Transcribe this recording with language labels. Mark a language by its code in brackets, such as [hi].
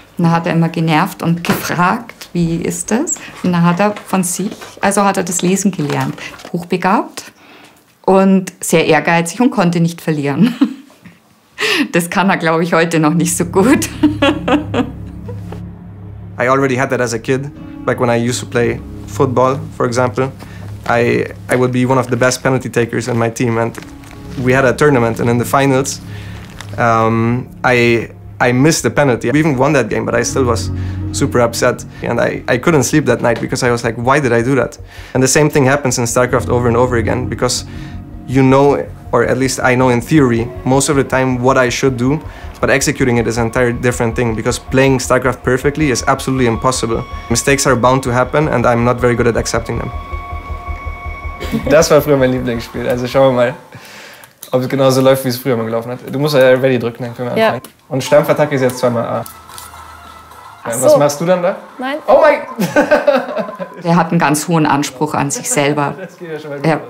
[de] Und da hat er immer genervt und gefragt, wie ist das? Und da hat er von sich, also hat er das Lesen gelernt, hochbegabt und sehr ehrgeizig und konnte nicht verlieren. Das kann er, glaube ich, heute noch nicht so gut. [en] I already had that as a kid. Like when I used to play football, for example, I would be one of the best penalty takers in my team. And we had a tournament, and in the finals, I missed the penalty. We even won that game, but I still was super upset. And I couldn't sleep that night because I was like, why did I do that? And the same thing happens in StarCraft over and over again, because you know, or at least I know in theory, most of the time what I should do, but executing it is an entire different thing, because playing StarCraft perfectly is absolutely impossible. Mistakes are bound to happen, and I'm not very good at accepting them. [de] Das war früher mein Lieblingsspiel. Also schauen wir mal, ob es genauso läuft, wie es früher mal gelaufen hat. Du musst ja Ready drücken, dann können wir anfangen. Ja. Und Stampfattacke ist jetzt 2x A. So. Was machst du dann da? Nein. Oh mein! Er hat einen ganz hohen Anspruch an sich selber. Ja,